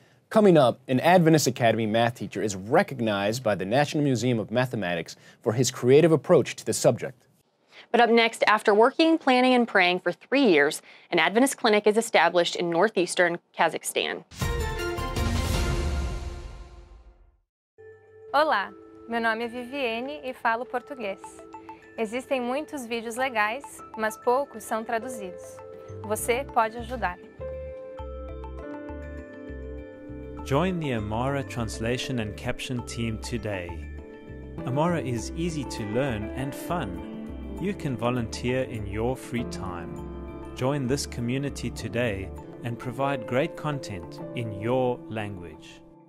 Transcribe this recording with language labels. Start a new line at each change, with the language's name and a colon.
English: Coming up, an Adventist Academy math teacher is recognized by the National Museum of Mathematics for his creative approach to the subject. But up next, after working, planning, and praying for 3 years, an Adventist clinic is established in northeastern Kazakhstan.
Portuguese: Olá, meu nome é Viviane e falo português. Existem muitos vídeos legais, mas poucos são traduzidos. Você pode ajudar.
English: Join the Amora translation and caption team today. Amora is easy to learn and fun. You can volunteer in your free time. Join this community today and provide great content in your language.